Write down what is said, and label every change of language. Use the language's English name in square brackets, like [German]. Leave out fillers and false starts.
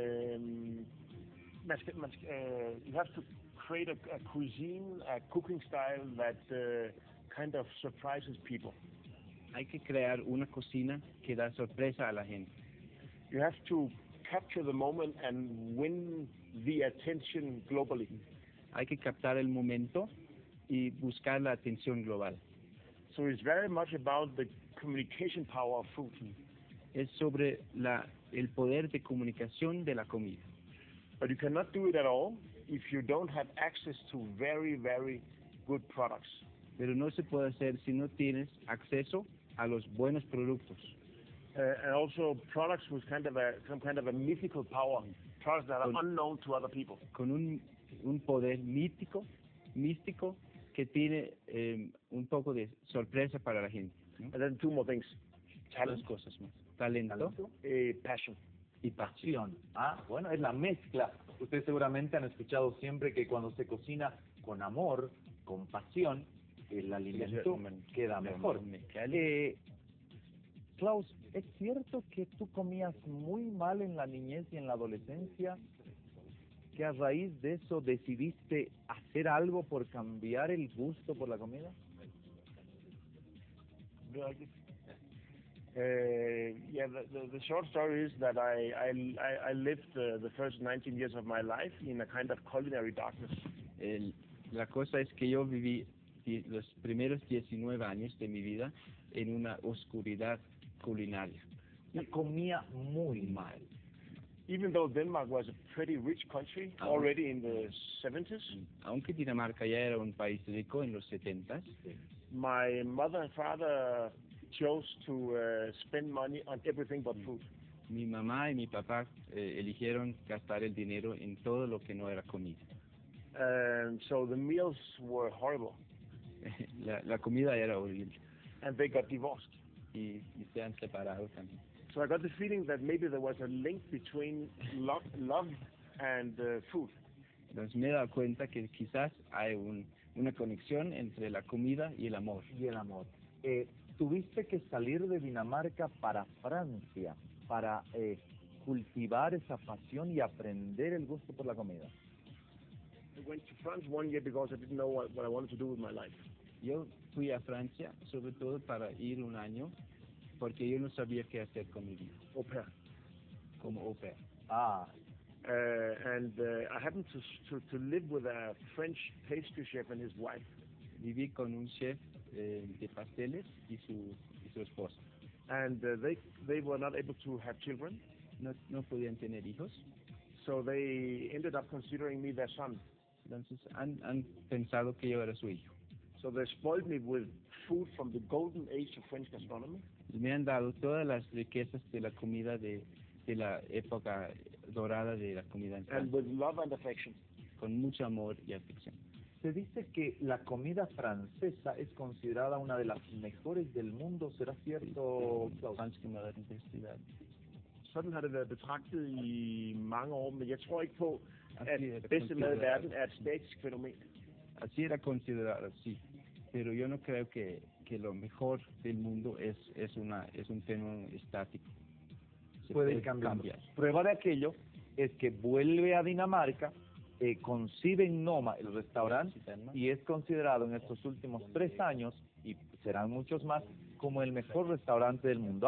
[English] You have to create a cuisine, a cooking style that kind of surprises people. [Spanish] Hay que crear una cocina que da sorpresa a la gente. [English] You have to capture the moment and win the attention globally. [Spanish] Hay que captar el momento y buscar la atención global. [English] So it's very much about the communication power of food. [Spanish] Es sobre el poder de comunicación de la comida. [English] But you cannot do it at all if you don't have access to very, very good products. [Spanish] Pero no se puede hacer si no tienes acceso a los buenos productos. [English] And also products with some kind of a mythical power, products that are unknown to other people. [Spanish] Con un poder místico que tiene un poco de sorpresa para la gente. ¿No? [English] And then two more things. [Spanish] Dos cosas más. Talento. [English] Passion. [Spanish] Y pasión. Ah, bueno, es la mezcla. Ustedes seguramente han escuchado siempre que cuando se cocina con amor, con pasión, el alimento queda mejor. Klaus, ¿es cierto que tú comías muy mal en la niñez y en la adolescencia? ¿Que a raíz de eso decidiste hacer algo por cambiar el gusto por la comida? [English] The short story is that I lived the first 19 years of my life in a kind of culinary darkness. [Spanish] La cosa es que yo viví los primeros 19 años de mi vida en una oscuridad culinaria. Y comía muy mal. [English] Even though Denmark was a pretty rich country already in the 70s. [Spanish] Aunque Dinamarca ya era un país rico en los 70s. [English] My mother and father chose to spend money on everything but food. [Spanish] Mi mamá y mi papá eligieron gastar el dinero en todo lo que no era comida. [English] So the meals were horrible. [Spanish] La comida era horrible. [English] And they got divorced. [Spanish] Y se han separado también. [English] So I got the feeling that maybe there was a link between love and food. [Spanish] Entonces me he dado cuenta que quizás hay una conexión entre la comida y el amor. Y el amor. Tuviste que salir de Dinamarca para Francia para cultivar esa pasión y aprender el gusto por la comida. [English] I went to France one year because I didn't know what I wanted to do with my life. [Spanish] Yo fui a Francia sobre todo para ir un año porque yo no sabía qué hacer con mi vida. [English] Au pair. [Spanish] Como au pair. Ah. [English] I happened to live with a French pastry chef and his wife. [Spanish] Viví con un chef de pasteles y su esposa. [English] And they were not able to have children. [Spanish] No podían tener hijos. [English] So they ended up considering me their son. [Spanish] Entonces han pensado que yo era su hijo. [English] So they spoiled me with food from the golden age of French gastronomy. [Spanish] Y me han dado todas las riquezas de la comida de la época dorada de la comida en Francia. [English] And with love and affection. [Spanish] Con mucho amor y afección. Se dice que la comida francesa es considerada una de las mejores del mundo. ¿Será cierto, Klaus? [Danish] Fransk kan være den bedste i verden. Sådan har det været betragtet i mange år, men jeg tror ikke på, at bedste mad i verden er et statisk fænomen. [Spanish] Así era considerado, sí. Pero yo no creo que lo mejor del mundo es un fenómeno estático. Se puede cambiar. Prueba de aquello es que vuelve a Dinamarca. Concibe en Noma el restaurante y es considerado en estos últimos 3 años, y serán muchos más, como el mejor restaurante del mundo.